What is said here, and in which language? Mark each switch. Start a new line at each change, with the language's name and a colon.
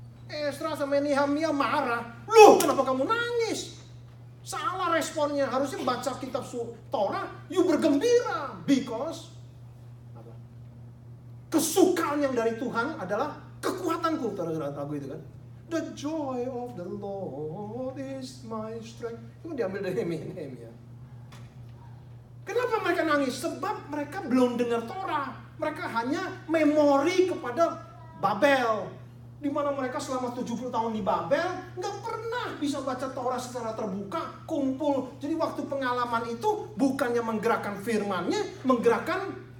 Indonesian: Esra sama Nehemia marah, loh kenapa kamu nangis? Salah responnya, harusnya baca kitab Torah, you bergembira. Because kesukaan yang dari Tuhan adalah kekuatanku. Terus lagu itu kan.
English: The joy of the Lord is my strength.
Indonesian: Itu diambil dari Nehemia. Kenapa mereka nangis? Sebab mereka belum dengar Torah. Mereka hanya memori kepada Babel. Di mana mereka selama 70 tahun di Babel enggak pernah bisa baca Torah secara terbuka, kumpul. Jadi waktu pengalaman itu bukannya menggerakkan firman-Nya, menggerakkan